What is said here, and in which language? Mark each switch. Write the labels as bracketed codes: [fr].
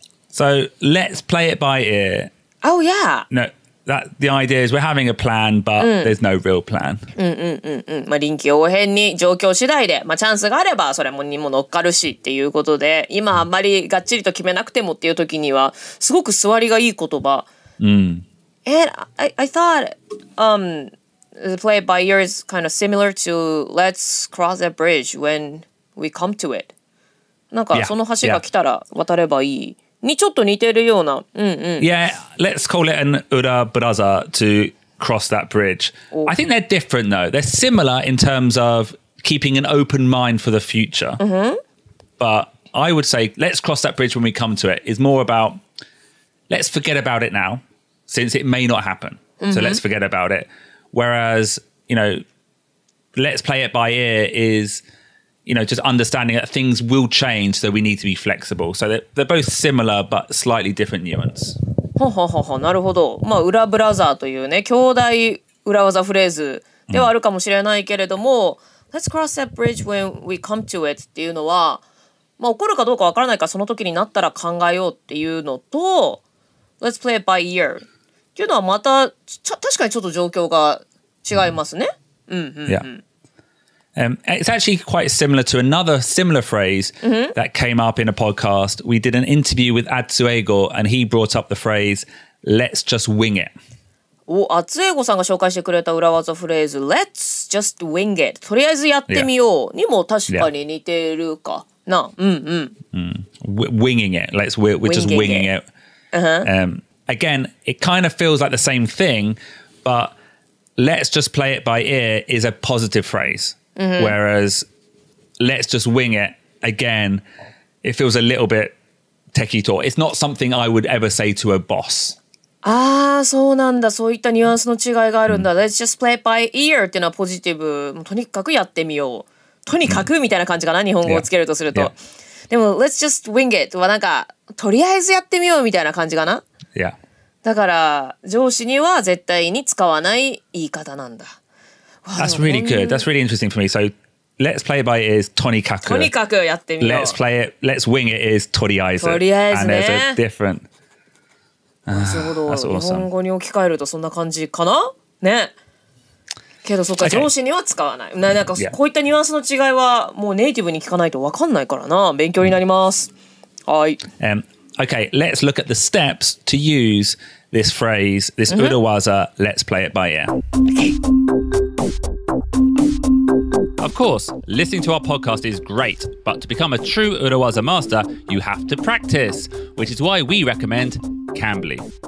[en] So let's play it by ear. Oh, yeah. No, the idea is we're having a plan, but there's no real plan. [ja] まあ、臨機応変に状況次第で、まあ、チャンスがあればそれもにも乗っかるしっていうことで、今あんまりがっちりと決めなくてもっていう時には、すごく座りがいい言葉。 [en] I thought, play it by ear is kind of similar to let's cross a bridge when we come to it. [ja] なんかその橋が来たら渡ればいい。にちょっと似てるような、 [en] Yeah, let's call it an ura brother to cross that bridge. I think they're different though. They're similar in terms of keeping an open mind for the future. But I would say let's cross that bridge when we come to it is more about let's forget about it now since it may not happen. So let's forget about it. Whereas, you know, let's play it by ear is... You know, just understanding that things will change, so we need to be flexible. So they're both similar, but slightly different nuance. [ja] なるほど。まあ、裏ブラザーというね、兄弟裏技フレーズではあるかもしれないけれども、 [en] Let's cross that bridge when we come to it [ja] っていうのは、まあ、起こるかどうかわからないから、その時になったら考えようっていうのと、 [en] Let's play it by ear [ja] っていうのはまた、確かにちょっと状況が違いますね。 [en] It's actually quite similar to another similar phrase that came up in a podcast. We did an interview with Atsu Eigo and he brought up the phrase, let's just wing it. [ja] Oh, Atsu Eigo さんが紹介してくれた裏技フレーズ [en] let's just wing it. [ja] とりあえずやってみようにも確かに似てるかな。 [en] Winging it. We're just winging it. Again, it kind of feels like the same thing, but let's just play it by ear is a positive phrase. Whereas, let's just wing it again. It feels a little bit techie talk. It's not something I would ever say to a boss. [ja] Ah, so なんだ。そういったニュアンスの違いがあるんだ。 [en] Let's just play it by ear [ja] っていうのはポジティブ。とにかくやってみよう。とにかくみたいな感じかな。日本語をつけるとすると。でも [en] Let's just wing it [ja] はなんかとりあえずやってみようみたいな感じかな。だから上司には絶対に使わない言い方なんだ。 [en] That's really good. That's really interesting for me. So let's play by it is とにかく。 [ja] とにかくやってみよう。 [en] Let's play it. Let's wing it is とりあえず。 [ja] とりあえずね。 [en] And there's a different. That's awesome. [ja] 日本語に置き換えるとそんな感じかな？ね。けどそっか、上司には使わない。なんかこういったニュアンスの違いはもうネイティブに聞かないと分かんないからな。勉強になります。はい。 [en] Okay, let's look at the steps to use this phrase, this urawaza, let's play it by ear. Of course, listening to our podcast is great, but to become a true urawaza master, you have to practice, which is why we recommend Cambly.